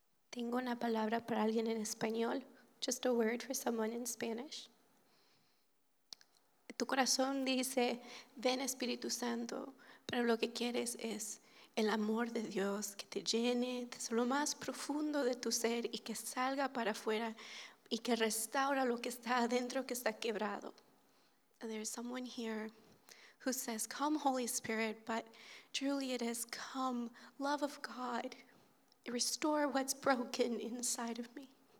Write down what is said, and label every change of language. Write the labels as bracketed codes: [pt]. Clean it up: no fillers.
[es] Tengo una palabra para alguien en español. [en] Just a word for someone in Spanish. [es] Tu corazón dice, ven Espíritu Santo, pero lo que quieres es el amor de Dios que te llene desde lo más profundo de tu ser y que salga para afuera y que restaura lo que está adentro que está quebrado. [en] There's someone here who says, come Holy Spirit, but truly it is come love of God. Restore what's broken inside of me.